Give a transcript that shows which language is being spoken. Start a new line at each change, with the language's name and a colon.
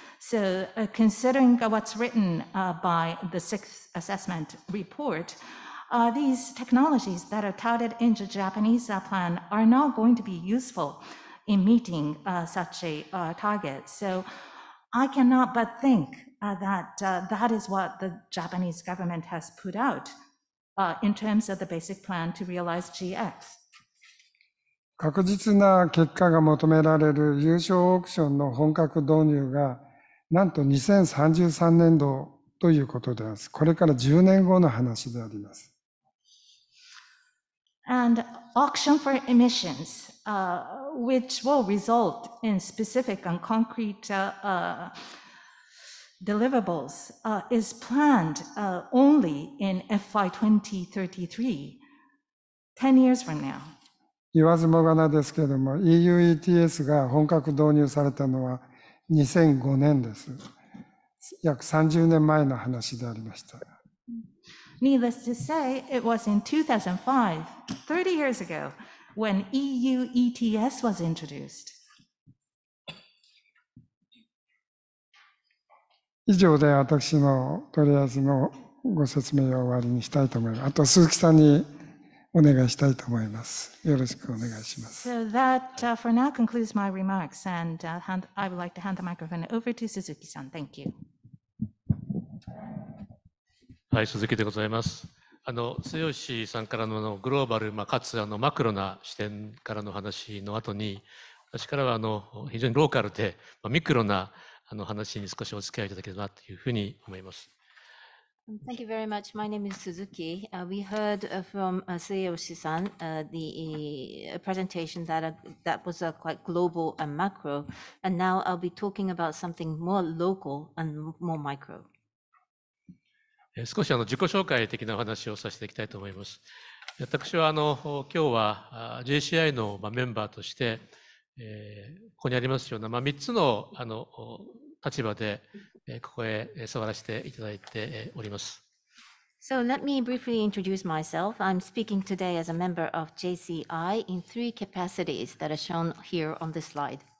English: So considering what's written by the sixth assessment report, these technologies that are touted in the Japanese plan are not going to be useful in meeting such a target. So I cannot but think that that is what the Japanese government has put out. In terms of the basic plan to realize GX.
Japanese: 確実な結果が求められる有償オークションの本格導入がなんと2033年度ということであります。これから10年後の話であります。
English: And auction for emissions, which will result in specific and concrete deliverables is planned only in FY 2033, 10 years from now.
Japanese: 言わずもがなですけれども、EU ETS が本格導入されたのは2005年です。約30年前の話でありました。
English: Needless to say, it was in 2005, 30 years ago, when EU ETS was introduced.
Japanese: 以上で私のとりあえずのご説明を終わりにしたいと思います。あと鈴木さんにお願いしたいと思います。よろしくお願いします。
English: So that for now concludes my remarks and I would like to hand the microphone over to Suzuki さん. Thank you.
Japanese: はい、鈴木でございます。剛さんからのグローバル、かつマクロな視点からの話の後に、私からは非常にローカルでミクロな話に少しお付き合いいただければというふうに思います。
English: Thank you very much. My name is Suzuki. We heard from Seiyoshi-san the presentation that was quite global and macro. And now I'll be talking about something more local and more micro.
Japanese: 少し自己紹介的なお話をさせていきたいと思います。私は今日は JCI のメンバーとして、ここにありますような3つの立場でここへ座らせていただいております。
English: So let me briefly introduce myself. I'm speaking today as a member of JCI in three capacities that are shown here on this slide.